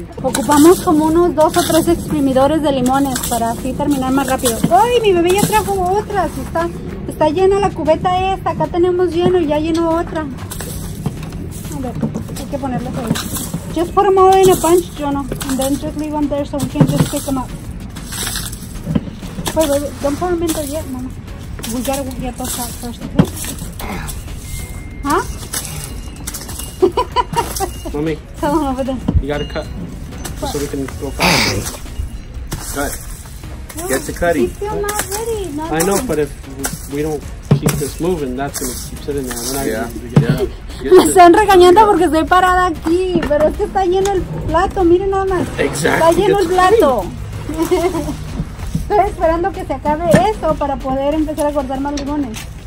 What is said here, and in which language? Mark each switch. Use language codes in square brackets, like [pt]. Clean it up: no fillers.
[es] Ocupamos como unos 2 o 3 exprimidores de limones para así terminar más rápido. ¡Ay, mi bebé ya trajo otras! Está llena la cubeta esta. Acá tenemos lleno y ya llenó otra. A ver, hay que ponerlas ahí. [en] Just put them all in a bunch, Jonah, and then just leave them there so we can just pick them up. Wait, don't put them in there yet, Mama. We gotta get those out first, okay? Huh? Mommy. Tell them over there. You gotta cut. What? So we can go fast. get the cutting. He's still not ready. I know, but if we don't keep this moving, that's gonna keep sitting there. Yeah. [es] Me están regañando porque estoy parada aquí, pero es que está lleno el plato, miren nada más. Exacto. Está lleno el plato. Estoy esperando que se acabe eso para poder empezar a cortar más limones.